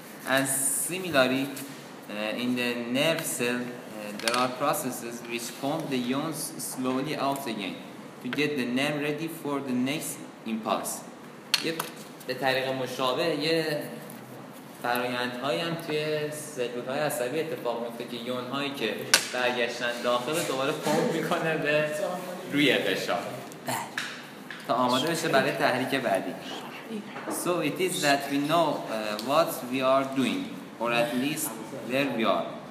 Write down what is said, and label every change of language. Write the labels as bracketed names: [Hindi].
[English] And similarly, in the nerve cell, there are processes which pump the ions slowly out again to get the nerve ready for the next impulse. Yep. [Persian] به طریق مشابه یه فرایندهایی هم توی سلول‌های عصبی اتفاق میفته که یون‌هایی که برگشتن داخل دوباره پمپ میکنه به روی فشار تا آماده بشه برای تحریک بعدی. [English] So it is that we know what we are doing or at least where we are.